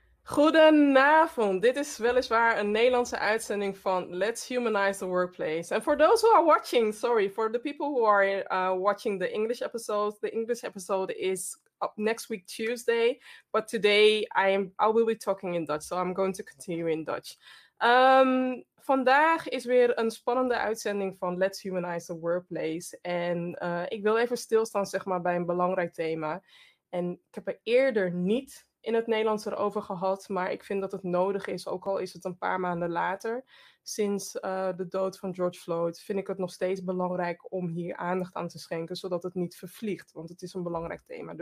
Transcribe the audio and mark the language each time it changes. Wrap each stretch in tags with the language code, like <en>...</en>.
<nl>Goedenavond, dit is weliswaar een Nederlandse uitzending van Let's Humanize the Workplace.</nl> <en>And for those who are watching, sorry, for the people who are watching the English episode is up next week Tuesday, but today I will be talking in Dutch, so I'm going to continue in Dutch.</en> <nl>Vandaag is weer een spannende uitzending van Let's Humanize the Workplace. En ik wil even stilstaan zeg maar, bij een belangrijk thema. En ik heb er eerder niet in het Nederlands erover gehad, maar ik vind dat het nodig is, ook al is het een paar maanden later, sinds de dood van George Floyd, vind ik het nog steeds belangrijk om hier aandacht aan te schenken, zodat het niet vervliegt, want het is een belangrijk thema.</nl>